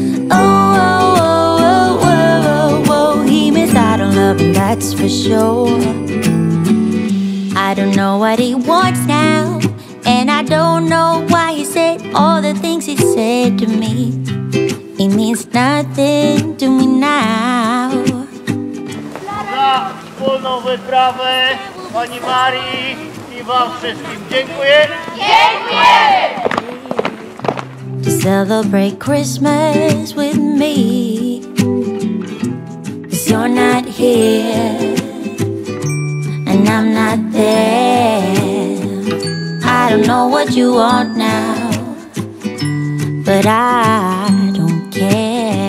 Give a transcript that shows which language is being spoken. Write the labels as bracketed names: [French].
[English] Oh, oh, oh, oh, oh, oh, oh, he miss I don't love him, that's for sure. I don't know what he wants now, and I don't know why he said all the things he said to me. He means nothing to me now. [Polish] Wspólną wyprawę pani Marii i wam wszystkim. Dziękuję. Dziękuję. [English] To celebrate Christmas with me. Cause you're not here and I'm not there. I don't know what you want now, but I don't care.